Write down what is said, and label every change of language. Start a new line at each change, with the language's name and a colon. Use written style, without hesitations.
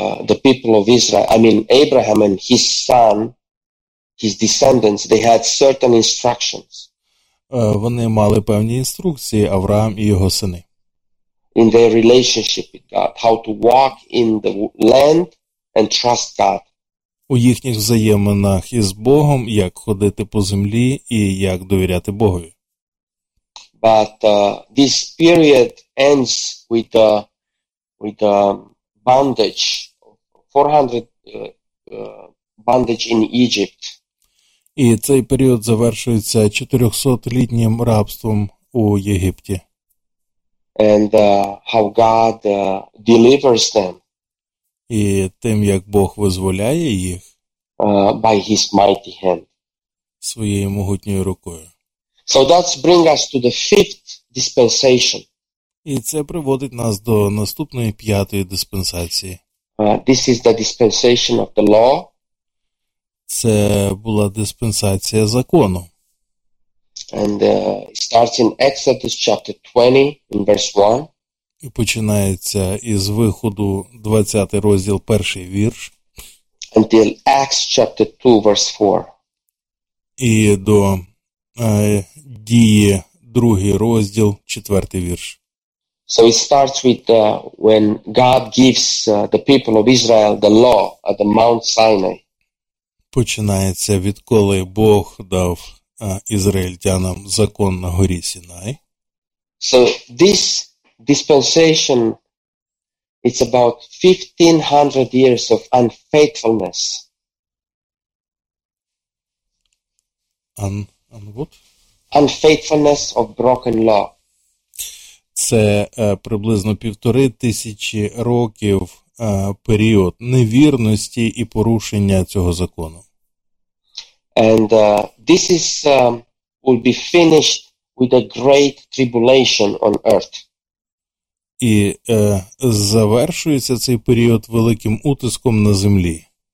English: The people of Israel, Abraham and his son, his descendants, they had certain instructions.
Ukrainian: Вони мали певні інструкції, Авраам і його сини.
English: In their relationship with God, how to walk in the land and trust God.
Ukrainian: У їхніх взаєминах із Богом, як ходити по землі і як довіряти Богові.
English: But this period ends with bondage, 400 bondage in Egypt.
Ukrainian: І цей період завершується 400-літнім рабством у Єгипті.
English: And how God delivers them.
Ukrainian: І тим, як Бог визволяє їх
English: by his mighty hand.
Ukrainian: Своєю могутньою рукою.
English: So that's bring us to the fifth dispensation.
Ukrainian: І це приводить нас до наступної п'ятої диспенсації.
English: This is the dispensation of the law.
Ukrainian: Це була диспенсація закону.
English: And starts in Exodus chapter 20 in verse 1.
Ukrainian: І починається із виходу 20 розділ, перший вірш.
English: Until Acts chapter 2 verse 4.
Ukrainian: І до Дії, другий розділ, четвертий вірш.
English: So it starts with when God gives the people of Israel the law at the Mount Sinai.
Ukrainian: Починається відколи Бог дав ізраїльтянам закон на горі Сінай.
English: So this dispensation, it's about 1500 years of unfaithfulness. What? Unfaithfulness of broken law.
Ukrainian: Це приблизно 1500 років період невірності і порушення цього закону.
English: And this is will be finished with a great tribulation on earth.
Ukrainian: І завершується цей період великим утиском на землі.